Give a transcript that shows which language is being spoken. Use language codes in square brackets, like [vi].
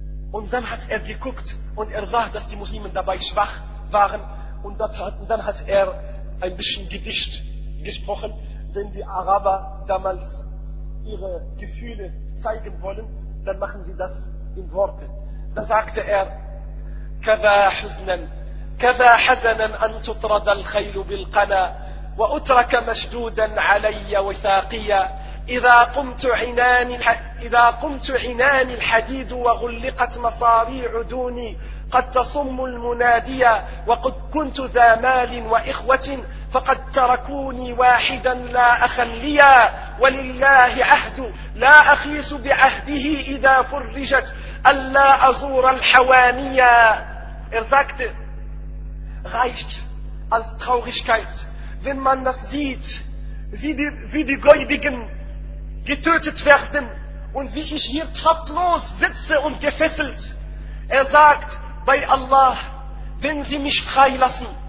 [de] Und dann hat er geguckt und er sah, dass die Muslime dabei schwach waren. Und dann hat er ein bisschen Gedicht gesprochen. Wenn die Araber damals ihre Gefühle zeigen wollen, dann machen sie das in Worten. Da sagte er, [ar] كَذَا حَزَنًا أَن تُطْرَدَ الْخَيْلُ بِالْقَنَى وَأُتْرَكَ مَشْدُودًا عَلَيَّ وِثَاقِيًا إذا قمت عناني الحديد وغلقت مصاريع دوني قد تصم المناديا وقد كنت ذا مال وإخوة فقد تركوني واحدا لا أخا ليا ولله عهد لا أخيس بعهده إذا فرجت ألا أزور الحوانيا. [de] Er sagte, reicht als Traurigkeit, wenn man das sieht, wie die Gläubigen getötet werden und wie ich hier kraftlos sitze und gefesselt. Er sagt, bei Allah, wenn sie mich freilassen,